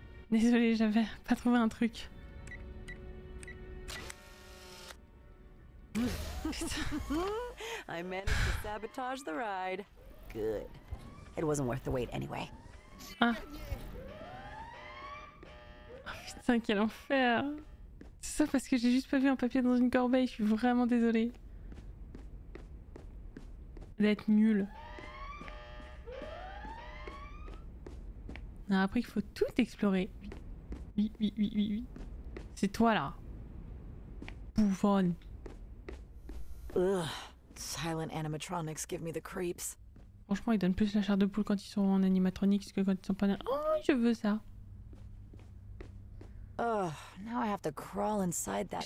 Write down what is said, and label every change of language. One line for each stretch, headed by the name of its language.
French: J'avais pas trouvé un truc.
English: I managed to sabotage the ride. Good. It wasn't worth the wait anyway. Ah.
French: Oh putain, quel enfer. C'est ça parce que j'ai juste pas vu un papier dans une corbeille, je suis vraiment désolée. D'être nul. On a appris qu'il faut tout explorer. Oui. C'est toi là. Bouffonne.
English: Ugh, silent animatronics give me the creeps.
French: Franchement, ils donnent plus la chair de poule quand ils sont en animatronics que quand ils sont pas. Oh, je veux ça.
English: Ugh, now I have to crawl inside that